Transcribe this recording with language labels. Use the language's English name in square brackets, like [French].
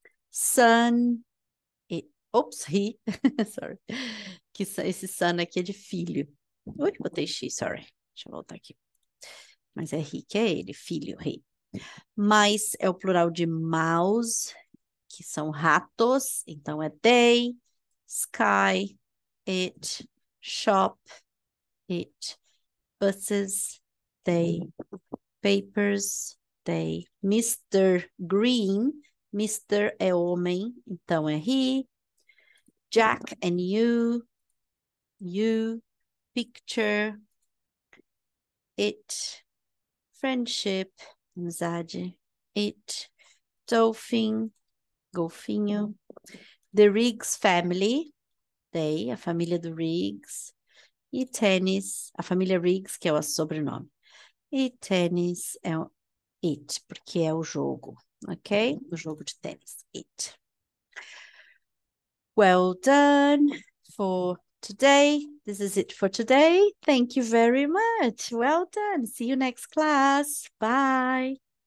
[English] Son, it. Oops, he. Sorry. [Portuguese] Que esse son aqui é de filho. Ui, botei X, sorry. Deixa eu voltar aqui. Mas é he, que é ele, filho, he. Mice é o plural de mouse, que são ratos. [English] Então, é they, sky, it, shop, it, buses, they, papers, they. [Portuguese] Mr. Green, Mr. é homem, então é he. Jack and you. You, picture, it, friendship, amizade, it, dolphin, golfinho, the Riggs family, they, a família do Riggs, e tennis, a família Riggs, que é o sobrenome, e tennis é o it, porque é o jogo, ok? O jogo de tênis, it. [English] Well done for today. This is it for today. Thank you very much. Well done. See you next class. Bye.